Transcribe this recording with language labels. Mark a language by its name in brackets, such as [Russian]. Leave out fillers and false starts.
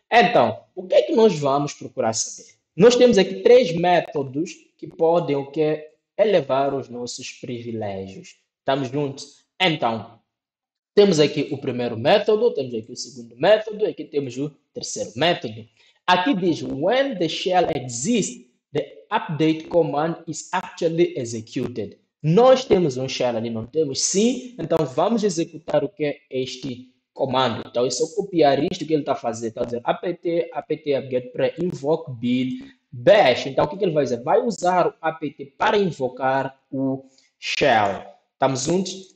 [Portuguese] Então, o que é que nós vamos procurar saber? Nós temos aqui três métodos que podem o quê? Elevar os nossos privilégios. Estamos juntos? Então. Temos aqui o primeiro método, temos aqui o segundo método, aqui temos o terceiro método. Aqui diz: [English] When the shell exists, the update command is actually executed. [Portuguese] Nós temos um shell ali, não temos? Sim, então vamos executar o que é este comando. Então é só copiar isto que ele está a fazer. Está a dizer apt-get apt, pre-invoke bin bash. Então o que que ele vai fazer? Vai usar o apt para invocar o shell. Estamos juntos?